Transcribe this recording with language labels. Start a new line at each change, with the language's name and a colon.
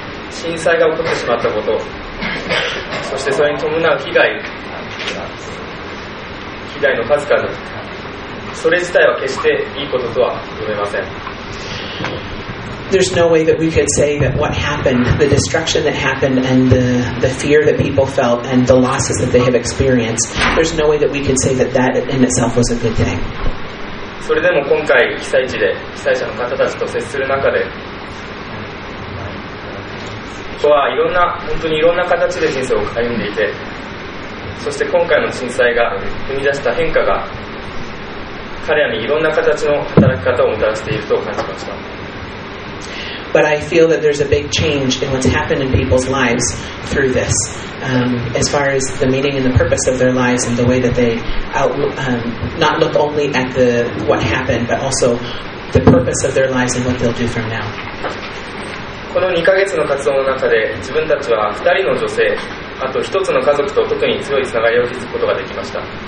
Japanese: 震災が起こってしまったこと、そしてそれに伴う被害、被害の数々、それ自体は決していいこととは言えません。
English: There's no way that we could say that what happened, the destruction that happened, and the fear that people felt, and the losses that they have experienced, there's no way that we could say that that in itself was a good thing.
Japanese: それでも今回被災地で被災者の方たちと接する中で、人はいろんな本当にいろんな形で人生を歩んでいて、そして今回の震災が生み出した変化が彼らにいろんな形の働き方をもたらしていると感じました。
English: But I feel that there's a big change in what's happened in people's lives through this, as far as the meaning and the purpose of their lives and the way that they not look only at the what happened, but also the purpose of their lives and what they'll do from now.
Japanese: この2ヶ月の活動の中で、自分たちは2人の女性、あと1つの家族と特に強いつながりを築くことができました。